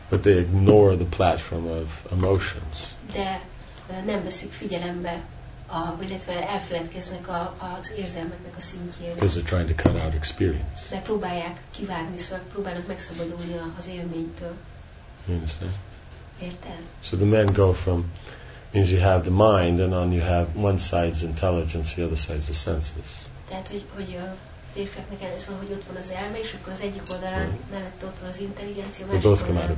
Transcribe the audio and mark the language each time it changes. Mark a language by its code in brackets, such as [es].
[en] But they ignore the platform of emotions. [hu] De nem veszik figyelembe, illetve elfeledkeznek az érzelmeknek a szintjére. [en] Because they're trying to cut out experience. [hu] De próbálják kivágni, szóval próbálnak megszabadulni az élménytől. [en] You understand? [hu] Érted? [en] So the men go from, means you have the mind, and on you have one side's intelligence, the other side's the senses. [hu] Tehát, hogy férfiaknak ez van, hogy ott van az elme, és akkor az egyik oldalán mellett ott van az intelligencia, másik oldalán